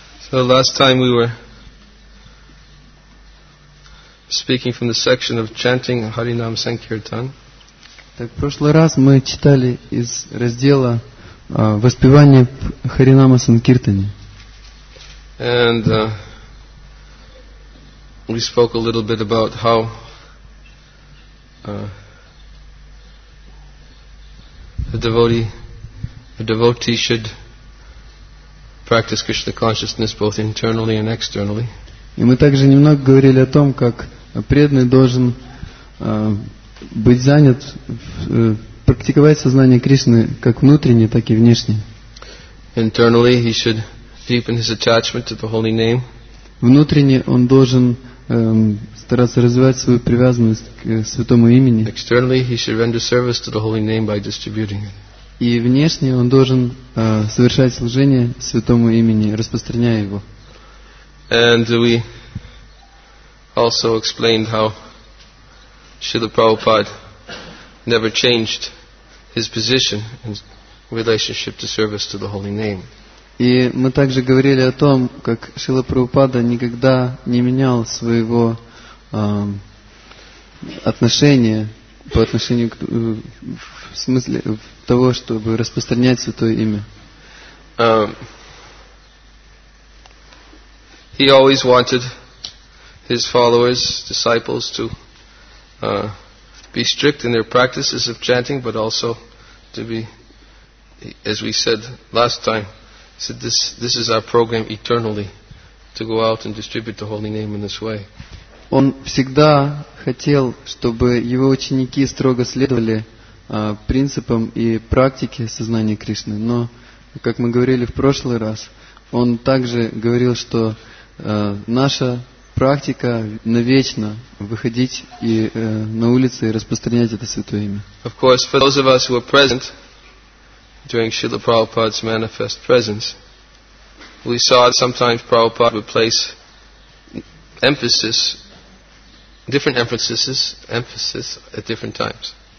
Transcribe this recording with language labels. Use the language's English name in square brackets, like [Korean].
[English] The last time we were speaking from the section of chanting Harinam Sankirtan. [Russian] Так, в прошлый раз мы читали из раздела воспевания Харинама Санкиртани. [English] And we spoke a little bit about how a devotee should practice Krishna consciousness both internally and externally. [Russian] И мы также немного говорили о том, как преданный должен быть занят, практиковать сознание Кришны как внутренне, так и внешне. [English] Internally, he should deepen his attachment to the holy name. [Russian] Внутренне он должен стараться развивать свою привязанность к святому имени. [English] Externally, he should render service to the holy name by distributing it. [Russian] И внешне он должен совершать служение святому имени, распространяя его. [English] And we also explained how Srila Prabhupada never changed his position in relationship to service to the holy name. [Russian] И мы также говорили о том, как Шрила Прабхупада никогда не менял своего отношения по отношению к в смысле того, чтобы распространять святое имя. [English] He always wanted his followers, disciples, to be strict in their practices of chanting, but also to be, as we said last time, he said this is our program eternally, to go out and distribute the holy name in this way. [Russian] Он всегда хотел, чтобы его ученики строго следовали принципам и практике сознания Кришны. Но, как мы говорили в прошлый раз, он также говорил, что наша практика навечно выходить и на улицы и распространять это святое имя. [English] Of course, for those of us who were present during Srila Prabhupada's manifest presence, we saw sometimes Prabhupada would place different emphasis at different times.